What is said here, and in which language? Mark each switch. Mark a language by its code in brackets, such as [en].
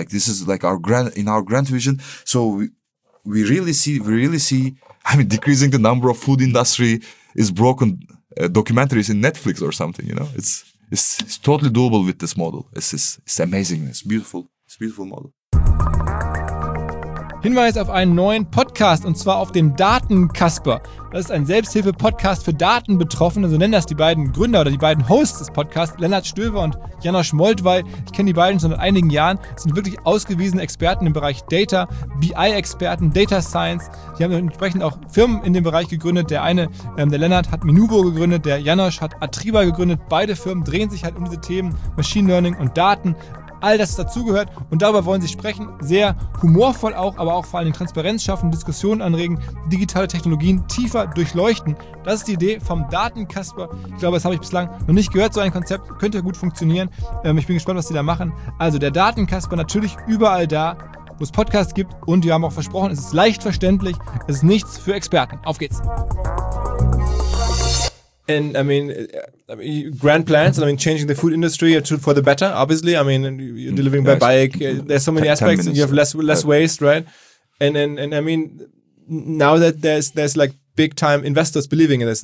[en] Like, this is like our grand vision. So we really see, I mean, decreasing the number of food industry is broken documentaries in Netflix or something, you know. It's totally doable with this model. It's amazing. It's beautiful. It's a beautiful model. [de] Hinweis auf einen neuen Podcast, und zwar auf dem Datenkasper. Das ist ein Selbsthilfe-Podcast für Datenbetroffene. So nennen das die beiden Gründer oder die beiden Hosts des Podcasts, Lennart Stöver und Janosch Moldwey. Ich kenne die beiden schon seit einigen Jahren. Das sind wirklich ausgewiesene Experten im Bereich Data, BI-Experten, Data Science. Die haben entsprechend auch Firmen in dem Bereich gegründet. Der eine, der Lennart, hat Minubo gegründet. Der Janosch hat Atriba gegründet. Beide Firmen drehen sich halt um diese Themen Machine Learning und Daten. All das dazugehört, und darüber wollen sie sprechen, sehr humorvoll auch, aber auch vor allem Transparenz schaffen, Diskussionen anregen, digitale Technologien tiefer durchleuchten. Das ist die Idee vom Datenkasper. Ich glaube, das habe ich bislang noch nicht gehört, so ein Konzept, könnte gut funktionieren. Ich bin gespannt, was sie da machen. Also der Datenkasper, natürlich überall da, wo es Podcasts gibt, und wir haben auch versprochen, es ist leicht verständlich, es ist nichts für Experten. Auf geht's! [en] And I mean, grand plans, and I mean, changing the food industry for the better, obviously. I mean, you're delivering by bike. There's so many aspects, and you have less waste, right? And I mean, now that there's like big time investors believing in this.